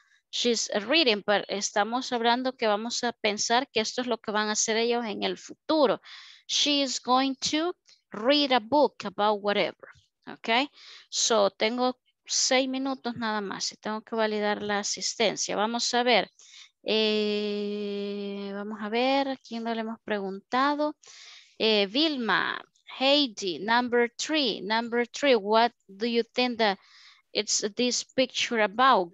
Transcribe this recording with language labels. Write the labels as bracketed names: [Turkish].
[English] She's reading, [Spanish] pero estamos hablando que vamos a pensar que esto es lo que van a hacer ellos en el futuro. [English] She is going to read a book about whatever. [Spanish] Ok, so tengo 6 minutos nada más y tengo que validar la asistencia. Vamos a ver, a quién no le hemos preguntado. [English] Vilma, Heidi, number three, what do you think that it's this picture about?